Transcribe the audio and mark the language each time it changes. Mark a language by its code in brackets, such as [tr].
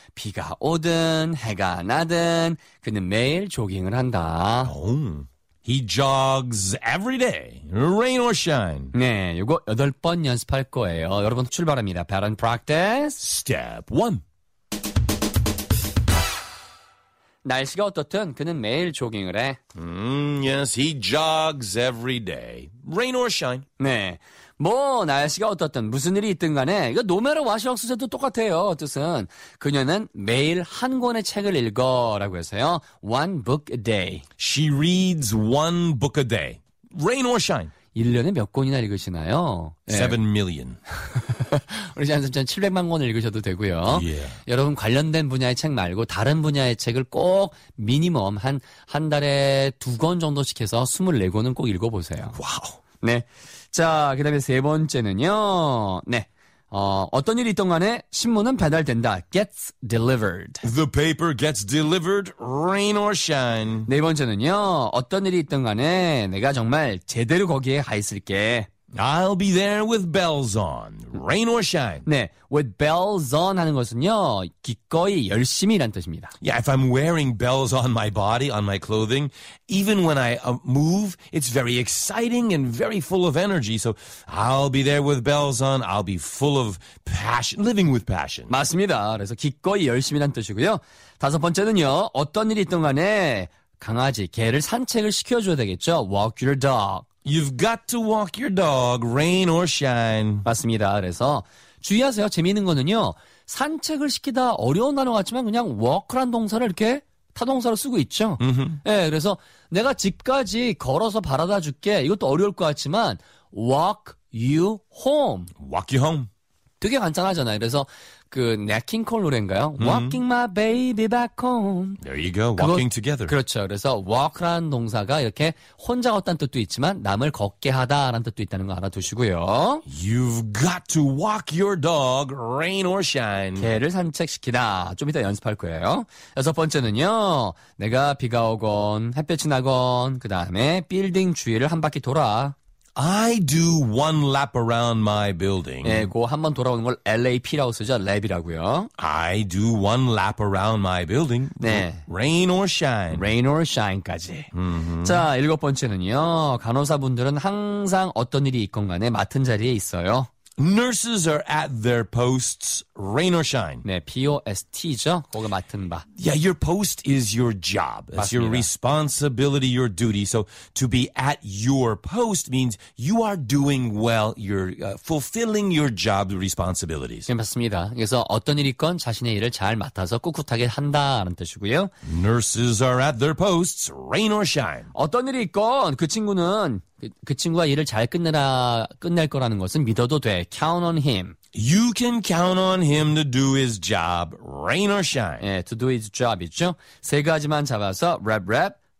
[ko] 비가 오든 해가 나든 그는 매일 조깅을 한다. [en] He jogs every day, rain or shine. [ko] 네, 이거 여덟 번 연습할 거예요. 여러분 출발합니다. [en] Pattern practice. Step 1. [ko] 날씨가 어떻든 그는 매일 조깅을 해. [en] Yes, he jogs every day, rain or shine. [ko] 네, 뭐 날씨가 어떻든 무슨 일이 있든 간에 이거 노메르 와시옥스에도 똑같아요. 뜻은 그녀는 매일 한 권의 책을 읽어라고 해서요. [en] One book a day. She reads one book a day, rain or shine. [ko] 1년에 몇 권이나 읽으시나요? [en] 7 million. [ko] 우리 잔선천 700만 권을 읽으셔도 되고요. [en] Yeah. [ko] 여러분 관련된 분야의 책 말고 다른 분야의 책을 꼭 미니멈 한 달에 두 권 정도씩 해서 24권은 꼭 읽어보세요. 와우. 네. 자, 그 다음에 세 번째는요. 네. 어떤 일이 있던 간에 신문은 배달된다. [en] Gets delivered. The paper gets delivered, rain or shine. [ko] 네 번째는요. 어떤 일이 있던 간에 내가 정말 제대로 거기에 가 있을게. [en] I'll be there with bells on, rain or shine. [ko] 네, [en] with bells on [ko] 하는 것은요, 기꺼이 열심히란 뜻입니다. [en] Yeah, if I'm wearing bells on my body, on my clothing, even when I move, it's very exciting and very full of energy. So I'll be there with bells on, I'll be full of passion, living with passion. [ko] 맞습니다. 그래서 기꺼이 열심히란 뜻이고요. 다섯 번째는요, 어떤 일이 있던 간에 강아지, 개를 산책을 시켜줘야 되겠죠. [en] Walk your dog. You've got to walk your dog, rain or shine. [ko] 맞습니다. 그래서 주의하세요. 재미있는 거는요. 산책을 시키다 어려운 단어 같지만 그냥 walk란 동사를 이렇게 타동사로 쓰고 있죠. 예, 네, 그래서 내가 집까지 걸어서 바라다 줄게. 이것도 어려울 것 같지만 [en] walk you home. Walk you home. [ko] 되게 간단하잖아요. 그래서 그 Nat King Cole 노래인가요? [en] Walking my baby back home. There you go. Walking 그거, together. [ko] 그렇죠. 그래서 walk라는 동사가 이렇게 혼자 걷다는 뜻도 있지만 남을 걷게 하다라는 뜻도 있다는 거 알아두시고요. [en] You've got to walk your dog, rain or shine. [ko] 개를 산책시키다. 좀 이따 연습할 거예요. 여섯 번째는요. 내가 비가 오건 햇볕이 나건 그다음에 빌딩 주위를 한 바퀴 돌아. [en] I do one lap around my building. [ko] 네, 그 한 번 돌아오는 걸 LAP라고 쓰죠. Lap이라고요. [en] I do one lap around my building. [ko] 네. [en] Rain or shine. Rain or shine까지. Mm-hmm. [ko] 자, 일곱 번째는요. 간호사분들은 항상 어떤 일이 있건 간에 맡은 자리에 있어요. [en] Nurses are at their posts, rain or shine. [ko] 네, POST죠. 거기 맡은 바. [en] Yeah, your post is your job. It's [ko] 맞습니다. [en] your responsibility, your duty. So to be at your post means you are doing well, you're fulfilling your job responsibilities. [ko] 네, 맞습니다. 그래서 어떤 일이건 자신의 일을 잘 맡아서 꿋꿋하게 한다는 뜻이고요. [en] Nurses are at their posts, rain or shine. [ko] 어떤 일이건 그 친구는 그 친구가 일을 잘 끝낼 거라는 것은 믿어도 돼. [en] Count on him. You can count on him to do his job, rain or shine. [ko] 예, [en] to do his job [ko] 있죠. 세 가지만 잡아서 wrap, wrap.